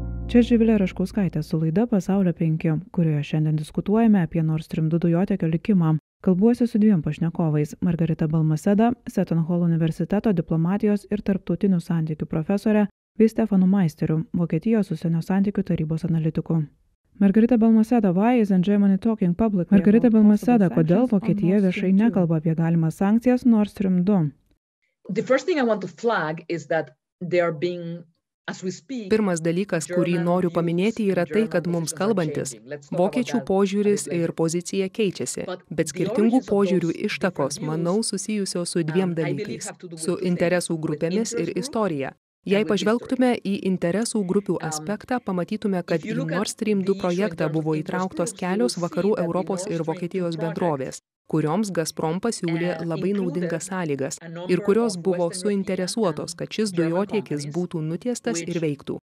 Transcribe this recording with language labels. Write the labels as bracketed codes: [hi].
[lt] Čia Živilė Raškauskaitė su laida Pasaulio 5, kurioje šiandien diskutuojame apie Nord Stream 2 dujotiekio likimą. Kalbuosi su dviem pašnekovais – Margarita Balmaseda, Seton Hall universiteto diplomatijos ir tarptautinių santykių profesorė, bei Stefanu Maisteriu, Vokietijos užsienio santykių tarybos analitiku. [en] Margarita Balmaseda, why isn't Germany talking publicly? [lt] Margarita Balmaseda, kodėl Vokietija viešai nekalba apie galimas sankcijas Nord Stream 2? [en] The first thing I want to flag is that they are being [lt] Pirmas dalykas, kurį noriu paminėti, yra tai, kad mums kalbantis, vokiečių požiūris ir pozicija keičiasi, bet skirtingų požiūrių ištakos, manau, susijusios su dviem dalykais – su interesų grupėmis ir istorija. Jei pažvelgtume į interesų grupių aspektą, pamatytume, kad į Nord Stream 2 projektą buvo įtrauktos kelios vakarų Europos ir Vokietijos bendrovės, kurioms Gazprom pasiūlė labai naudingas sąlygas ir kurios buvo suinteresuotos, kad šis dujotiekis būtų nutiestas ir veiktų.